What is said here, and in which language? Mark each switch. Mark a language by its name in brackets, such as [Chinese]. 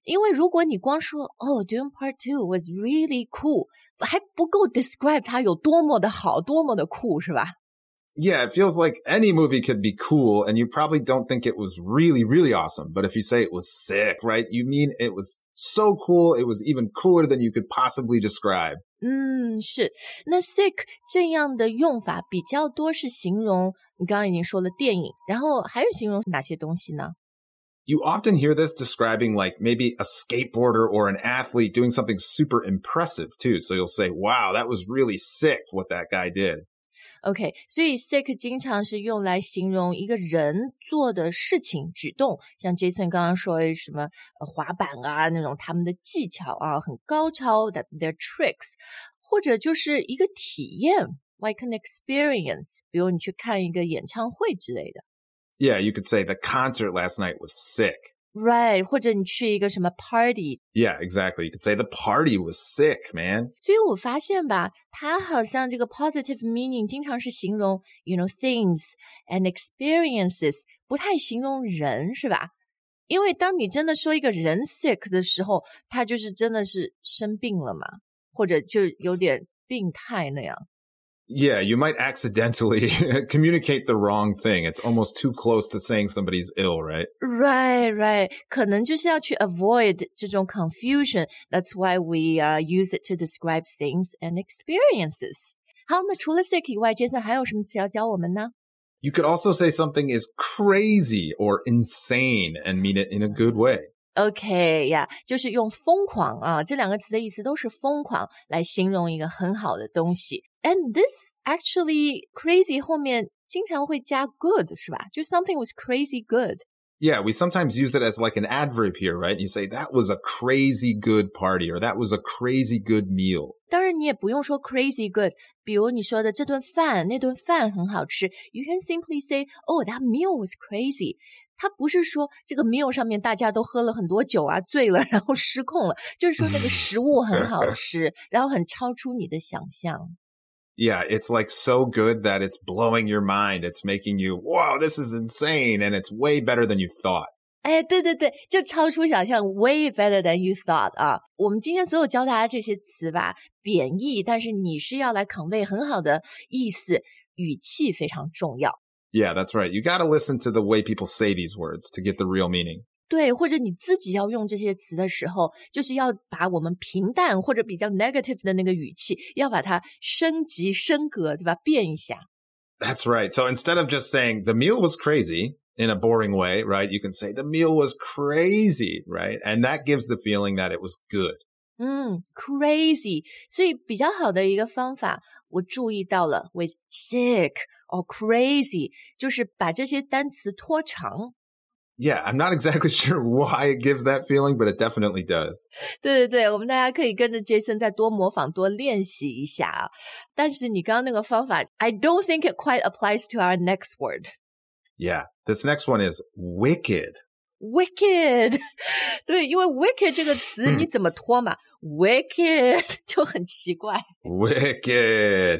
[Chinese] 因为如果你光说 [English] oh, Doom Part 2 was really cool, [Chinese] 还不够 describe 它有多么的好，多么的酷，是吧？ [English] Yeah, it feels like any movie could be cool, and you probably don't think it was really, really awesome. But if you say it was sick, right, you mean it was so cool, it was even cooler than you could possibly describe. [Chinese] 是。那 sick 这样的用法比较多是形容，你刚刚已经说了电影，然后还有形容哪些东西呢？ [English] You often hear this describing like maybe a skateboarder or an athlete doing something super impressive too. So you'll say, wow, that was really sick what that guy did. [Chinese] OK, 所以 sick 经常是用来形容一个人做的事情、举动，像 Jason 刚刚说的什么滑板啊，那种他们的技巧啊，很高超 [English] their tricks, [Chinese] 或者就是一个体验 , [English] like an experience, [Chinese] 比如你去看一个演唱会之类的。 [English] Yeah, you could say the concert last night was sick. [Chinese] Right, 或者你去一个什么 party. [English] Yeah, exactly. You could say the party was sick, man. [Chinese] 所以我发现吧，它好像这个 positive meaning 经常是形容 [English] you know, things and experiences, [Chinese] 不太形容人，是吧？因为当你真的说一个人 sick 的时候，他就是真的是生病了嘛，或者就有点病态那样。 [English] Yeah, you might accidentally communicate the wrong thing. It's almost too close to saying somebody's ill, right? [Chinese] Right, right. 可能就是要去 avoid 这种 confusion. [English] That's why we, use it to describe things and experiences. [Chinese] 好，那除了 sick 以外 ,Jason 还有什么词要教我们呢？ [English] You could also say something is crazy or insane and mean it in a good way. [Chinese] Okay, yeah, 就是用疯狂啊，这两个词的意思都是疯狂来形容一个很好的东西。 [English] And this actually crazy [Chinese] 后面经常会加 [English] good, [Chinese] 是吧？就 [English] something was crazy good. Yeah, we sometimes use it as like an adverb here, right? You say, that was a crazy good party, or that was a crazy good meal. [Chinese] 当然你也不用说 [English] crazy good, [Chinese] 比如你说的这顿饭那顿饭很好吃 [English] You can simply say, oh, that meal was crazy. [Chinese] 它不是说这个 meal 上面大家都喝了很多酒啊醉了然后失控了就是说那个食物很好吃然后很超出你的想象。 [English] Yeah, it's like so good that it's blowing your mind. It's making you, wow, this is insane. And it's way better than you thought. [Chinese] 哎，对对对，就超出想象 [English] way better than you thought. [Chinese] 啊，我们今天所有教大家这些词吧，贬义，但是你是要来 convey 很好的意思，语气非常重要。 [English] Yeah, that's right. You got to listen to the way people say these words to get the real meaning. [Chinese] 对或者你自己要用这些词的时候就是要把我们平淡或者比较 negative 的那个语气要把它升级升格对吧变一下。 [English] That's right. So instead of just saying the meal was crazy in a boring way, right? You can say the meal was crazy, right? And that gives the feeling that it was good. [Chinese] Crazy. 所以比较好的一个方法我注意到了 [English] with sick or crazy, [Chinese] 就是把这些单词拖长。 [English] Yeah, I'm not exactly sure why it gives that feeling, but it definitely does. [Chinese] 对对对，我们大家可以跟着 Jason 再多模仿、多练习一下啊。但是你刚刚那个方法 [English] ，I don't think it quite applies to our next word. Yeah, this next one is wicked. [Chinese] Wicked. 对，因为 wicked 这个词你怎么拖嘛？Wicked 就很奇怪。 [English] Wicked.